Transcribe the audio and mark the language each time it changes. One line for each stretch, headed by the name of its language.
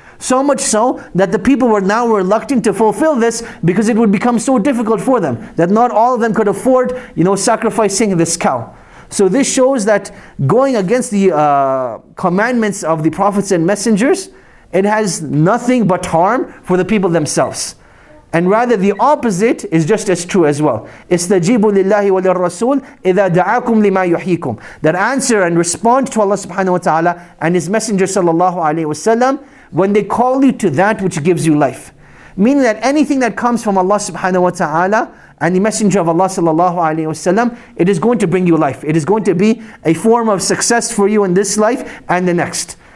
English: So much so that the people were now reluctant to fulfill this because it would become so difficult for them that not all of them could afford, you know, sacrificing this cow. So this shows that going against the commandments of the prophets and messengers, it has nothing but harm for the people themselves. And rather the opposite is just as true as well.
Arabic: استجيبوا لله وللرسول إذا دعاكم لما يحييكم.
English: That answer and respond to Allah subhanahu wa ta'ala and His Messenger sallallahu alayhi wa sallam when they call you to that which gives you life. Meaning that anything that comes from Allah subhanahu wa ta'ala and the Messenger of Allah sallallahu alayhi wa sallam, it is going to bring you life. It is going to be a form of success for you in this life and the next.